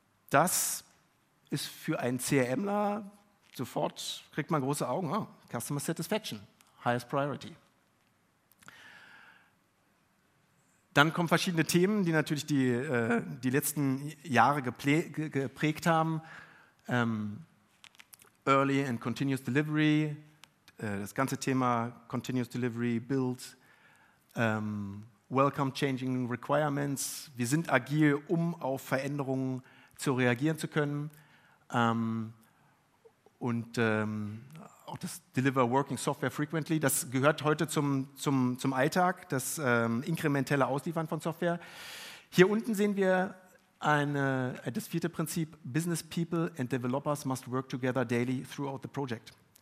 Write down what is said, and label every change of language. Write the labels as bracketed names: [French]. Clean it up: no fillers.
[German] Das ist für einen CRMler, sofort kriegt man große Augen, oh, [English] Customer Satisfaction, highest priority. [German] Dann kommen verschiedene Themen, die natürlich die letzten Jahre geprägt haben. [English] Early and Continuous Delivery, [German] das ganze Thema [English] Continuous Delivery, Build, Welcome Changing Requirements. [German] Wir sind agil, um auf Veränderungen zu reagieren zu können. Und auch das Deliver Working Software Frequently, das gehört heute zum Alltag, das inkrementelle Ausliefern von Software. Hier unten sehen wir das vierte Prinzip, [English] Business People and Developers must work together daily throughout the project.